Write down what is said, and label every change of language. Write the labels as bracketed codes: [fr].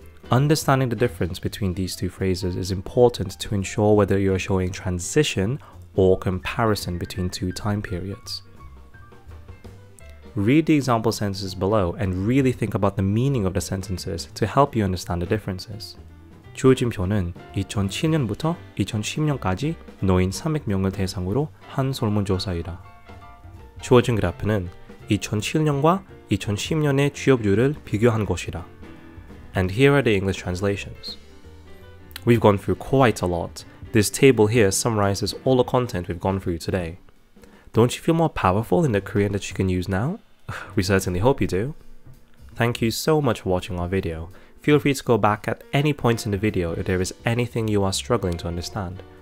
[en] Understanding the difference between these two phrases is important to ensure whether you are showing transition or comparison between two time periods. Read the example sentences below and really think about the meaning of the sentences to help you understand the differences. [ko] 주어진표는 2007년부터 2010년까지 노인 300명을 대상으로 한 설문조사이다. 주어진 그래프는 2007년과 2010년의 취업률을 비교한 것이다. [en] And here are the English translations. We've gone through quite a lot. This table here summarizes all the content we've gone through today. Don't you feel more powerful in the Korean that you can use now? We certainly hope you do. Thank you so much for watching our video. Feel free to go back at any point in the video if there is anything you are struggling to understand.